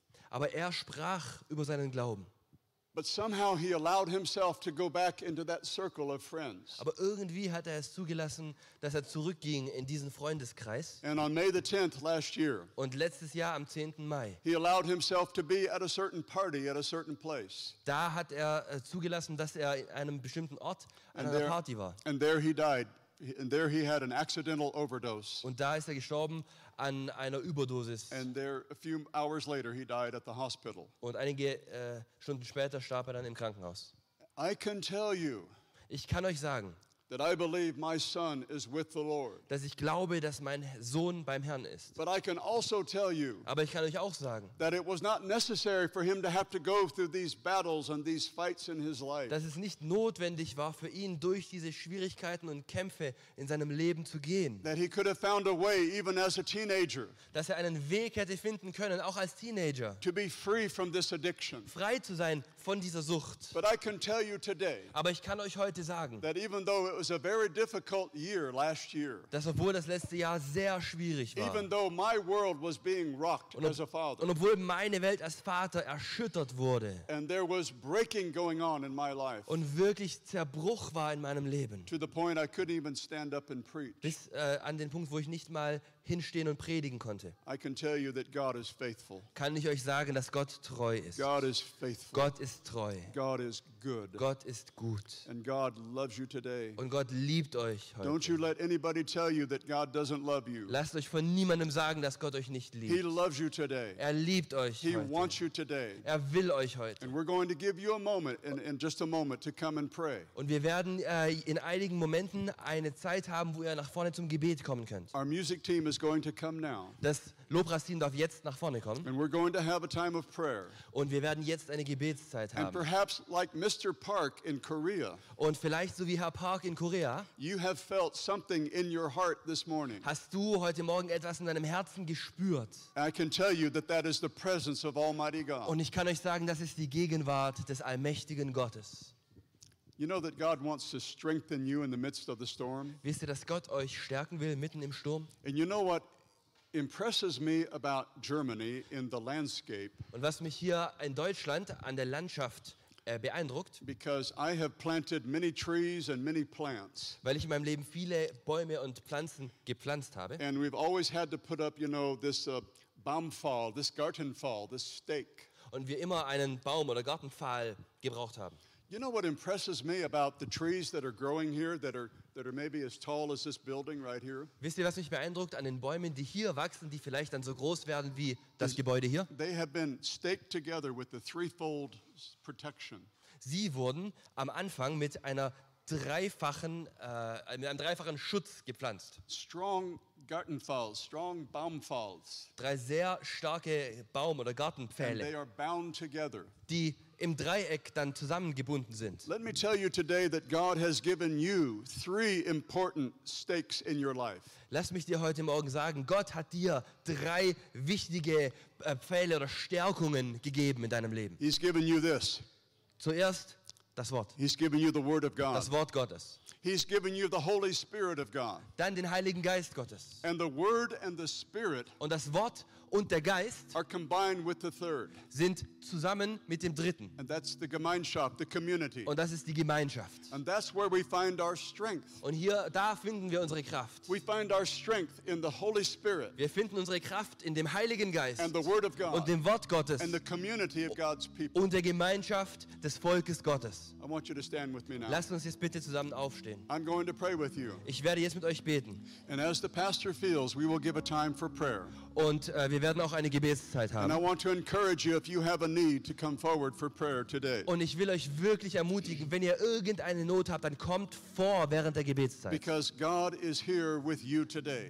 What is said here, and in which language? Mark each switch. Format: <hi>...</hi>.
<de>Aber er sprach über seinen Glauben.</de> <en>But somehow he allowed himself to go back into that circle of friends.</en> <de>Aber irgendwie hat er es zugelassen, dass er zurückging in diesen Freundeskreis.</de> <en>And on May the 10th last year.</en> <de>Und letztes Jahr am 10. Mai.</de> <en>He allowed himself to be at a certain party at a certain place.</en> <de>Da hat er zugelassen, dass er in einem bestimmten Ort an einer Party war.</de> <en>And there he died. And there he had an accidental overdose.</en> <de>Und da ist er gestorben an einer Überdosis.</de> <en>And there, a few hours later, he died at the hospital.</en> <de>Und einige Stunden später starb er dann im Krankenhaus.</de> <en>I can tell you.</en> <de>Ich kann euch sagen.</de> <en>That I believe my son is with the Lord.</en> <de>Dass ich glaube, dass mein Sohn beim Herrn ist.</de> <en>But I can also tell you.</en> <de>Aber ich kann euch auch sagen.</de> <en>That it was not necessary for him to have to go through these battles and these fights in his life.</en> <de>Dass es nicht notwendig war für ihn, durch diese Schwierigkeiten und Kämpfe in seinem Leben zu gehen.</de> <en>That he could have found a way even as a teenager.</en> <de>Dass er einen Weg hätte finden können, auch als Teenager.</de> <en>To be free from this addiction.</en> <de>Frei zu sein von dieser Sucht.</de> <en>But I can tell you today.</en> <de>Aber ich kann euch heute sagen.</de> <en>That even though it was a very difficult year last year.</en> <de>Dass obwohl das letzte Jahr sehr schwierig war.</de> <en>Even though my world was being rocked as a father.</en> <de>Und obwohl meine Welt als Vater erschüttert wurde.</de> <en>And there was breaking going on in my life.</en> <de>Und wirklich Zerbruch war in meinem Leben.</de> <en>To the point I couldn't even stand up and preach.</en> <de>Bis an den Punkt, wo ich nicht mal hinstehen und predigen konnte.</de> <en>I can tell you that God is faithful.</en> <de>Kann ich euch sagen, dass Gott treu ist.</de> <en>God is faithful.</en> <de>Gott ist treu.</de> <en>God is good.</en> <de>Gott ist gut.</de> <en>And God loves you today.</en> <de>Und Gott liebt euch heute.</de> <en>Don't you let anybody tell you that God doesn't love you.</en> <de>Lasst euch von niemandem sagen, dass Gott euch nicht liebt.</de> <en>He loves you today.</en> <de>Er liebt euch</de> <en>He</en> <de>heute.</de> <en>He wants you today.</en> <de>Er will euch heute.</de> <en>And we're going to give you a moment in just a moment to come and pray.</en> <de>Und wir werden in einigen Momenten eine Zeit haben, wo ihr nach vorne zum Gebet kommen könnt.</de> <en>Our music team is going to come now.</en> <de>Das Lobpreisteam darf jetzt nach vorne kommen.</de> <en>And we're going to have a time of prayer.</en> <de>Und wir werden jetzt eine Gebetszeit haben.</de> <en>And perhaps like Mr. Park in Korea.</en> <de>Und vielleicht so wie Herr Park in Korea.</de> <en>You have felt something in your heart this morning.</en> <de>Hast du heute Morgen etwas in deinem Herzen gespürt?</de> <en>I can tell you that that is the presence of Almighty God.</en> <de>Und ich kann euch sagen, das ist die Gegenwart des allmächtigen Gottes.</de> <en>You know that God wants to strengthen you in the midst of the storm.</en> <de>Wisst ihr, dass Gott euch stärken will mitten im Sturm?</de> <en>And you know what impresses me about Germany in the landscape?</en> <de>Und was mich hier in Deutschland an der Landschaft beeindruckt?</de> <en>Because I have planted many trees and many plants.</en> <de>Weil ich in meinem Leben viele Bäume und Pflanzen gepflanzt habe.</de> <en>And we've always had to put up, you know, this Baumpfahl, this Gartenpfahl, this stake.</en> <de>Und wir immer einen Baum oder Gartenpfahl gebraucht haben.</de> <en>You know what impresses me about the trees that are growing here that are maybe as tall as this building right here?</en> <de>Wisst ihr, was mich beeindruckt an den Bäumen, die hier wachsen, die vielleicht dann so groß werden wie das Gebäude hier?</de> <en>They have been staked together with the threefold protection.</en> <de>Sie wurden am Anfang mit einer dreifachen mit einem dreifachen Schutz gepflanzt.</de> <en>Strong Gartenpfahl, strong Baumpfahls.</en> <de>Drei sehr starke Baum- oder Gartenpfähle.</de> <en>And they are bound together.</en> <de>Die im Dreieck dann zusammengebunden sind.</de> <en>Let me tell you today that God has given you three important stakes in your life.</en> <de>Lass mich dir heute Morgen sagen, Gott hat dir drei wichtige Pfähle oder Stärkungen gegeben in deinem Leben.</de> <en>He's given you this.</en> <de>Zuerst das Wort.</de> <en>He's given you the Word of God.</en> <de>Das Wort Gottes.</de> <en>He's given you the Holy Spirit of God.</en> <de>Dann den Heiligen Geist Gottes.</de> <en>And the Word and the Spirit.</en> <de>Und das Wort und der Geist</de> <en>are combined with the third.</en> <de>Sind zusammen mit dem Dritten.</de> <en>And that's the Gemeinschaft, the community.</en> <de>Und das ist die Gemeinschaft.</de> <en>And that's where we find our strength.</en> <de>Und hier da finden wir unsere Kraft.</de> <en>We find our strength in the Holy Spirit.</en> <de>Wir finden unsere Kraft in dem Heiligen Geist.</de> <en>And the Word of God.</en> <de>Und dem Wort Gottes.</de> <en>And the community of God's people.</en> <de>Und der Gemeinschaft des Volkes Gottes.</de> <en>I want you to stand with me now.</en> <de>Lasst uns jetzt bitte zusammen aufstehen.</de> <en>I'm going to pray with you.</en> <de>Ich werde jetzt mit euch beten.</de> <en>And as the pastor feels, we will give a time for prayer.</en> <de>Und wir werden auch eine Gebetszeit haben.</de> <en>And I want to encourage you if you have a need to come forward for prayer today.</en> <de>Und ich will euch wirklich ermutigen, wenn ihr irgendeine Not habt, dann kommt vor während der Gebetszeit.</de> <en>Because God is here with you today.</en>